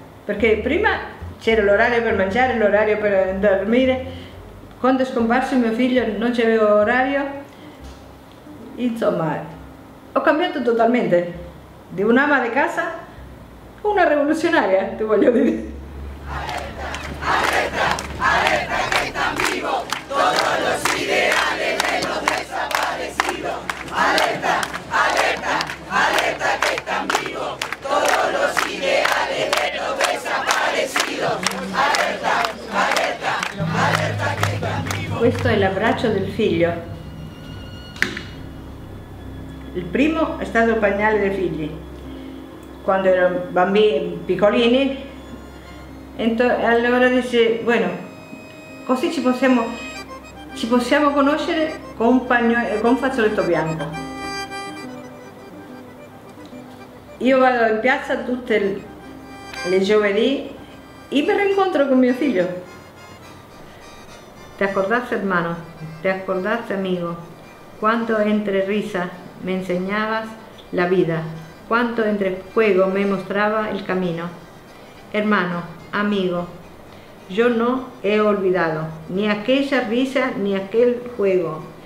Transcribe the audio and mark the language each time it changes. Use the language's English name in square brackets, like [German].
[Italian] Perché prima c'era l'orario per mangiare, l'orario per dormire. Quando è scomparso mio figlio non c'avevo orario. Insomma, ho cambiato totalmente. Di un'ama di casa, [Spanish] una revolucionaria, [Italian] te voglio dire. [Spanish] Alerta, alerta, alerta, que están vivos todos los ideales de los desaparecidos. Alerta, alerta, alerta, que están vivos todos los ideales de los desaparecidos. Alerta, alerta, alerta, que están vivos. [Italian] Questo è l'abbraccio del figlio. Il primo è stato il pagnale dei figli. Quando erano bambini piccolini, allora dice, bueno, così ci possiamo ci possiamo conoscere con fazzoletto bianco. Io vado in piazza tutte le giovedì e mi rincontro con mio figlio. [Spanish] Te accordaste, hermano, te accordaste, amigo, quanto entre risa me enseñabas la vida, cuanto entre juego me mostraba el camino. Hermano, amigo, yo no he olvidado ni aquella risa ni aquel juego.